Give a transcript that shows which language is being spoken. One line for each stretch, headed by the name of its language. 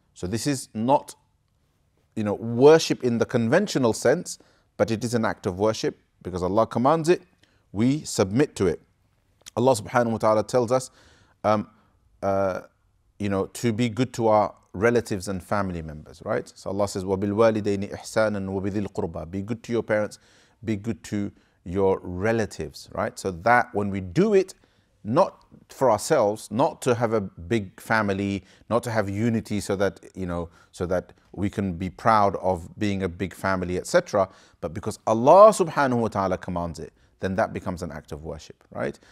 English: So this is not, you know, worship in the conventional sense, but it is an act of worship because Allah commands it, we submit to it. Allah subhanahu wa ta'ala tells us, to be good to our relatives and family members, right? So Allah says,
Arabic: وَبِالْوَالِدَيْنِ إِحْسَانًا وَبِذِي الْقُرْبَى.
English: Be good to your parents, be good to your relatives, right? So that when we do it, not for ourselves, not to have a big family, not to have unity so that we can be proud of being a big family, etc., but because Allah subhanahu wa ta'ala commands it, then that becomes an act of worship, right?